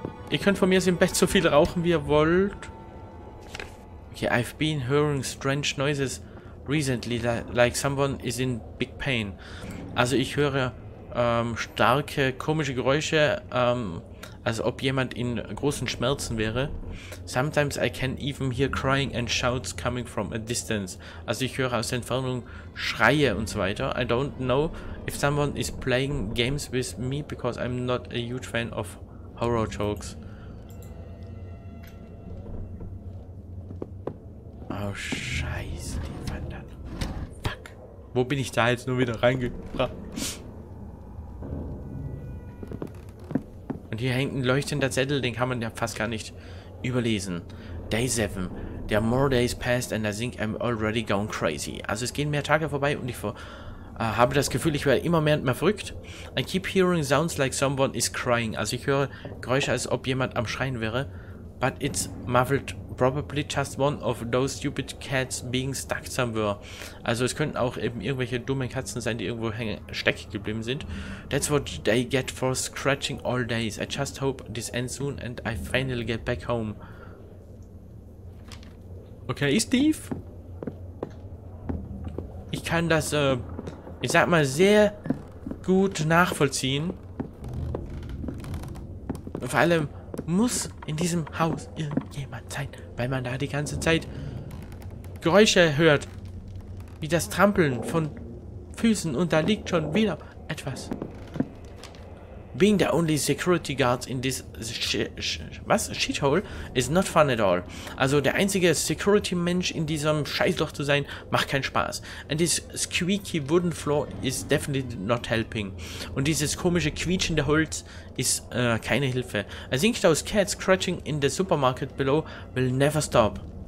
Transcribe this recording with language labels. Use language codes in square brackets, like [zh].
[de] Ihr könnt von mir aus im Bett so viel rauchen, wie ihr wollt. [en] Okay, I've been hearing strange noises recently, like someone is in big pain. [de] Also ich höre starke, komische Geräusche, als ob jemand in großen Schmerzen wäre. [en] Sometimes I can even hear crying and shouts coming from a distance. [de] Also ich höre aus der Entfernung Schreie und so weiter. [en] I don't know if someone is playing games with me, because I'm not a huge fan of horror jokes. [de] Oh, scheiße, die wandern. Fuck. Wo bin ich da jetzt nur wieder reingebracht? Und hier hängt ein leuchtender Zettel, den kann man ja fast gar nicht überlesen. [en] Day 7. There are more days passed and I think I'm already going crazy. [de] Also es gehen mehr Tage vorbei und ich habe das Gefühl, ich werde immer mehr und mehr verrückt. [en] I keep hearing sounds like someone is crying. [de] Also ich höre Geräusche, als ob jemand am Schreien wäre. [en] But it's muffled. Probably just one of those stupid cats being stuck somewhere. [de] Also es könnten auch eben irgendwelche dummen Katzen sein, die irgendwo stecken geblieben sind. [en] That's what they get for scratching all days. I just hope this ends soon and I finally get back home. Okay, Steve. [de] Ich kann das, ich sag mal, sehr gut nachvollziehen. Vor allem muss in diesem Haus irgendjemand sein, weil man da die ganze Zeit Geräusche hört, wie das Trampeln von Füßen und da liegt schon wieder etwas. [en] Being the only security guards in this shithole is not fun at all. [de] Also der einzige Security-Mensch in diesem Scheißloch zu sein, macht keinen Spaß. [en] And this squeaky wooden floor is definitely not helping. [de] Und dieses komische quietschende Holz ist keine Hilfe. [en] I think those cats scratching in the supermarket below will never stop.